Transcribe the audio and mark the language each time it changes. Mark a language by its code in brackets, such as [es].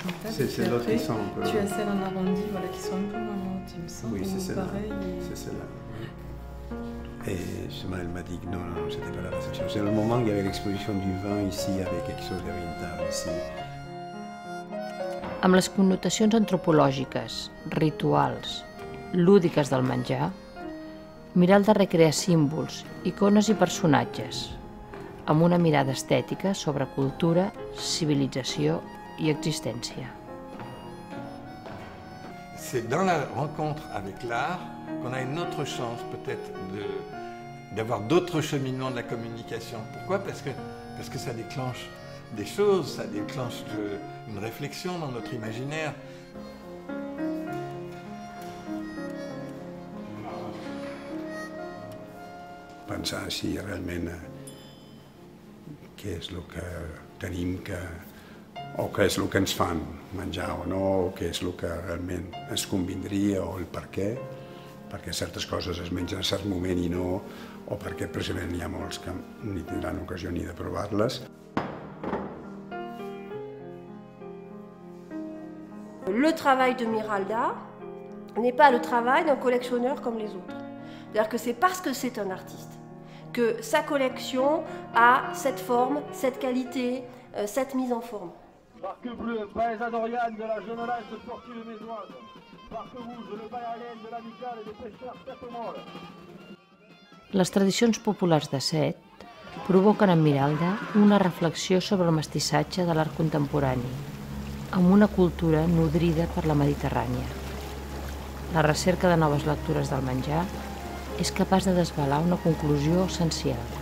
[fr] C'est l'autre qui sent un peu. Tu as celle en arrondi, voilà, qui sent un peu moins lente, il me semble. Oui, c'est celle-là. C'est celle-là. Et justement, elle m'a dit que non, c'était pas la réception. C'est le moment qu'il y avait l'exposition du vin ici, avec quelque chose de vintage ici. [ca] Amb les connotacions antropològiques, rituals, lúdiques del menjar, Miralda recrea símbols, icones i personatges amb una mirada estètica sobre cultura, civilització i existència. [fr] C'est dans la rencontre avec l'art qu'on a une autre chance peut-être d'avoir d'autres cheminements de la communication. Pourquoi? Parce que ça déclenche des choses, ça déclenche une réflexion dans notre imaginaire. [ca] Pensar si realment què és el que tenim que, o què és el que ens fan menjar o no, o què és el que realment ens convindria o el per què, perquè certes coses es mengen a cert moment i no, o perquè precisament hi ha molts que ni tindran ocasió ni de provar-les. [fr] Le travail de Miralda n'est pas le travail d'un collectionneur comme les autres. C'est-à-dire que c'est parce que c'est un artiste que sa collection a cette forme, cette qualité, cette mise en forme. Parque bleu, braise à Dorian de la jeunesse de Portier-le-Mézoise. Parque rouge, le bayalène de l'amicale et des pêcheurs Tête-Molle. [ca] Les tradicions populars de Set provoquen en Miralda una reflexió sobre el mestissatge de l'art contemporani, amb una cultura nodrida per la Mediterrània. La recerca de noves lectures del menjar és capaç de desvelar una conclusió essencial.